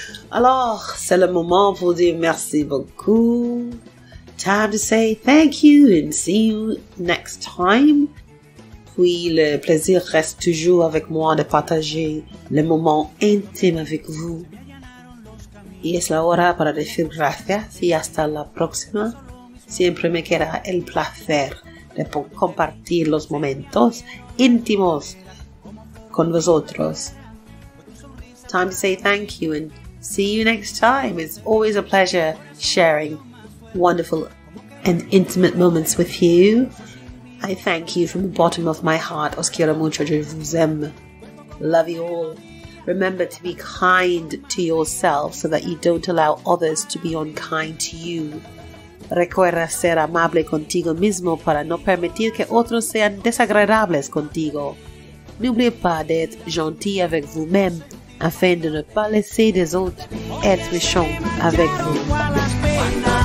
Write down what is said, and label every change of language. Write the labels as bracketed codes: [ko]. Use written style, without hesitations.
[fr] Alors, c'est le moment pour dire merci beaucoup. [en] Time to say thank you and see you next time. [fr] Puis le plaisir reste toujours avec moi de partager le moment intime avec vous. [es] Y es la hora para decir gracias y hasta la próxima. Siempre me queda el placer de compartir los momentos íntimos con vosotros. [en] Time to say thank you and see you next time. It's always a pleasure sharing wonderful and intimate moments with you. I thank you from the bottom of my heart. [es] Os quiero mucho, [fr] je vous aime. [en] Love you all. Remember to be kind to yourself so that you don't allow others to be unkind to you. [es] Recuerda ser amable contigo mismo para no permitir que otros sean desagradables contigo. [fr] N'oubliez pas d'être gentil avec vous-même afin de ne pas laisser les autres être méchants avec vous.